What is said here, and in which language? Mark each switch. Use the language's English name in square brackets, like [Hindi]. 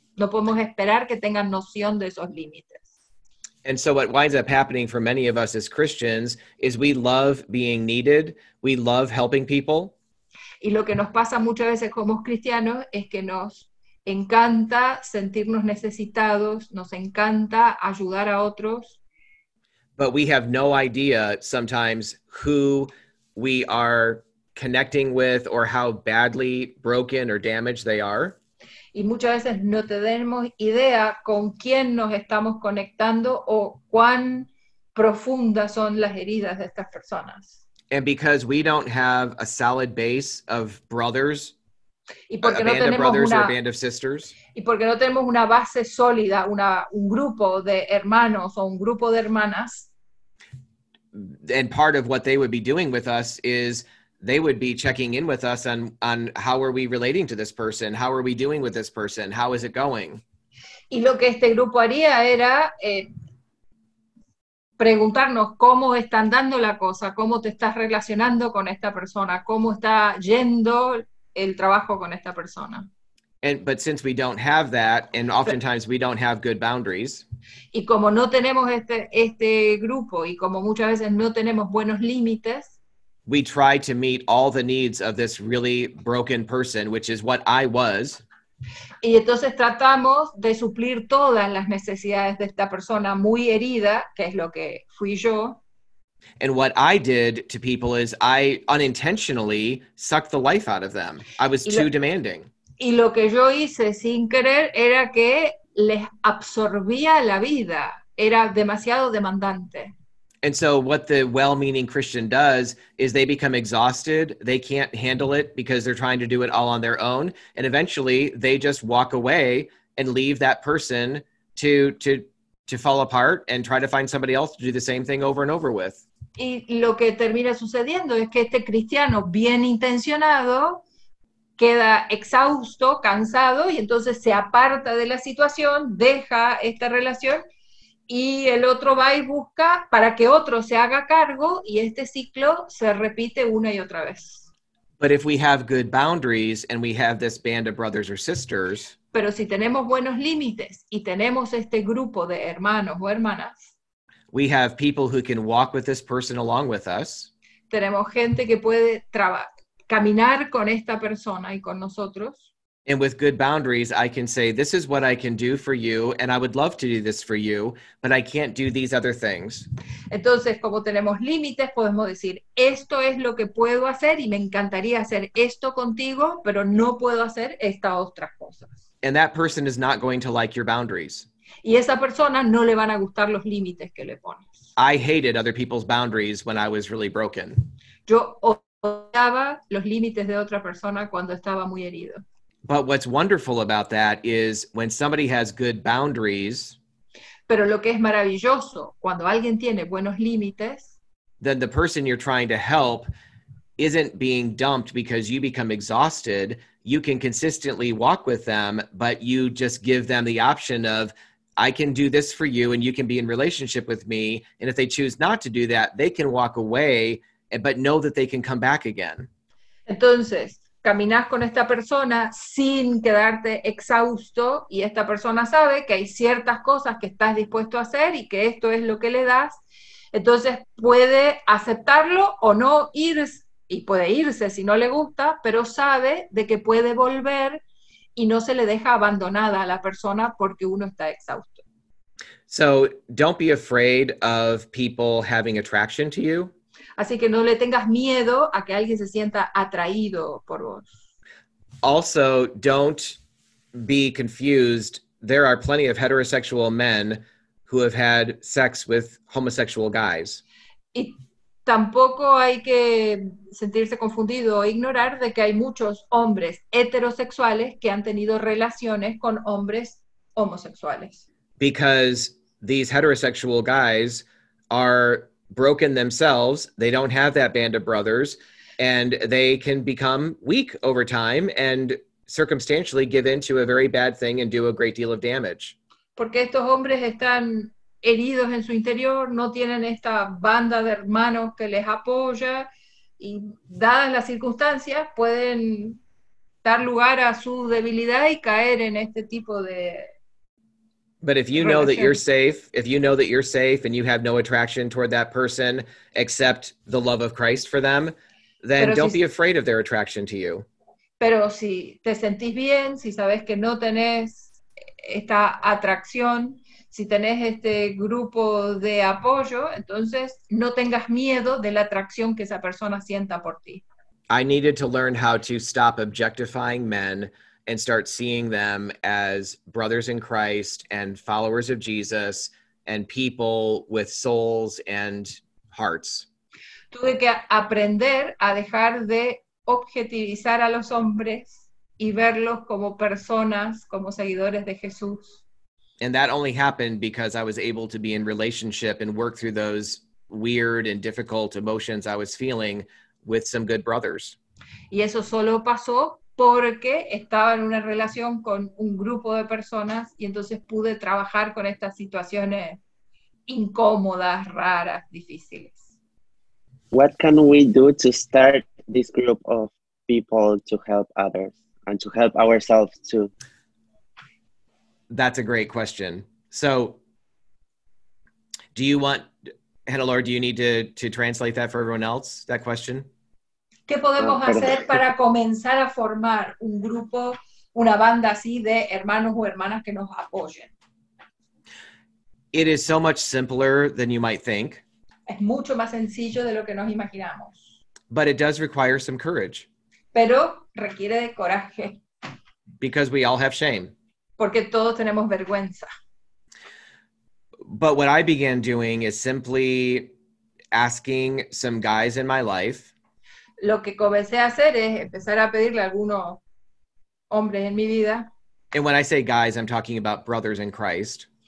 [Spanish] No podemos esperar que tengan noción de esos límites. [English] And so what winds up happening for many of us as Christians is we love being needed, we love helping people. [Spanish] Y lo que nos pasa muchas veces como cristianos es que nos encanta sentirnos necesitados, nos encanta ayudar a otros. [English] But we have no idea sometimes who we are connecting with or how badly broken or damaged they are. [Spanish] Y muchas veces no tenemos idea con quién nos estamos conectando o cuán profundas son las heridas de estas personas. [English] And because we don't have a solid base of brothers, [Spanish] y porque [English] a band [Spanish] no tenemos [English] of brothers [Spanish] una, [English] or a band of sisters. [Spanish] Y porque no tenemos una base sólida, un grupo de hermanos o un grupo de hermanas. [English] And part of what they would be doing with us is they would be checking in with us on how are we relating to this person? How are we doing with this person? How is it going? [Spanish] Y lo que este grupo haría era preguntarnos cómo están dando la cosa, cómo te estás relacionando con esta persona, cómo está yendo el trabajo con esta persona. [English] But since we don't have that, and oftentimes we don't have good boundaries. [Spanish] Y como no tenemos este grupo, y como muchas veces no tenemos buenos límites. [English] We try to meet all the needs of this really broken person, which is what I was. [Spanish] Y entonces tratamos de suplir todas las necesidades de esta persona muy herida, que es lo que fui yo. [English] And what I did to people is I unintentionally sucked the life out of them. I was too demanding. [Spanish] Y lo que yo hice sin querer era que les absorbía la vida. Era demasiado demandante. [English] And so what the well-meaning Christian does is they become exhausted. They can't handle it because they're trying to do it all on their own. And eventually they just walk away and leave that person to fall apart and try to find somebody else to do the same thing over and over with. [Spanish] Y lo que termina sucediendo es que este cristiano bien intencionado queda exhausto, cansado, y entonces se aparta de la situación, deja esta relación, y el otro va y busca para que otro se haga cargo, y este ciclo se repite una y otra vez. [English] But if we have good boundaries and we have this band of brothers or sisters, [Spanish] pero si tenemos buenos límites y tenemos este grupo de hermanos o hermanas, [English] we have people who can walk with this person along with us. [Spanish] Tenemos gente que puede caminar con esta persona y con nosotros. [English] And with good boundaries, I can say, this is what I can do for you, and I would love to do this for you, but I can't do these other things. [Spanish] Entonces, como tenemos límites, podemos decir, esto es lo que puedo hacer, y me encantaría hacer esto contigo, pero no puedo hacer estas otras cosas. [English] And that person is not going to like your boundaries. [Spanish] Y esa persona no le van a gustar los límites que le pones. [English] I hated other people's boundaries when I was really broken. [Spanish] Yo odiaba los límites de otra persona cuando estaba muy herido. [English] But what's wonderful about that is when somebody has good boundaries, [Spanish] pero lo que es maravilloso, cuando alguien tiene buenos límites, [English] then the person you're trying to help isn't being dumped because you become exhausted. You can consistently walk with them, but you just give them the option of, I can do this for you and you can be in relationship with me. And if they choose not to do that, they can walk away, but know that they can come back again. [Spanish] Entonces, caminas con esta persona sin quedarte exhausto y esta persona sabe que hay ciertas cosas que estás dispuesto a hacer y que esto es lo que le das. Entonces puede aceptarlo o no irse, y puede irse si no le gusta, pero sabe de que puede volver y no se le deja abandonada a la persona porque uno está exhausto. [English] So, don't be afraid of people having attraction to you. [Spanish] Así que no le tengas miedo a que alguien se sienta atraído por vos. [English] Also, don't be confused. There are plenty of heterosexual men who have had sex with homosexual guys. [Spanish] Y tampoco hay que sentirse confundido o ignorar de que hay muchos hombres heterosexuales que han tenido relaciones con hombres homosexuales. [English] Because these heterosexual guys are broken themselves, they don't have that band of brothers, and they can become weak over time and circumstantially give in to a very bad thing and do a great deal of damage. [Spanish] Porque estos hombres están heridos en su interior, no tienen esta banda de hermanos que les apoya, y dadas las circunstancias, pueden dar lugar a su debilidad y caer en este tipo de... [English] But if you know that you're safe, if you know that you're safe and you have no attraction toward that person except the love of Christ for them, then [Spanish] pero [English] don't be afraid of their attraction to you. [Spanish] Pero si te sentís bien, si sabes que no tenés esta atracción, si tenés este grupo de apoyo, entonces no tengas miedo de la atracción que esa persona sienta por ti. [English] I needed to learn how to stop objectifying men and start seeing them as brothers in Christ and followers of Jesus and people with souls and hearts. [Spanish] Tuve que aprender a dejar de objetivizar a los hombres y verlos como personas, como seguidores de Jesús. [English] And that only happened because I was able to be in relationship and work through those weird and difficult emotions I was feeling with some good brothers. [Spanish] Y eso solo pasó porque estaba en una relación con un grupo de personas y entonces pude trabajar con estas situaciones incómodas, raras, difíciles. [English] What can we do to start this group of people to help others and to help ourselves too? That's a great question. So, do you want, Hannelore, do you need to translate that for everyone else, that question? [Spanish] ¿Qué podemos hacer para comenzar a formar un grupo, una banda así de hermanos o hermanas que nos apoyen? [English] It is so much simpler than you might think. [Spanish] Es mucho más sencillo de lo que nos imaginamos. [English] But it does require some courage. [Spanish] Pero requiere de coraje. [English] Because we all have shame. [Spanish] Porque todos tenemos vergüenza. [English] But what I began doing is simply asking some guys in my life. [Spanish] Lo que comencé a hacer es empezar a pedirle a algunos hombres en mi vida. [English] And when I say guys, I'm talking about brothers in Christ.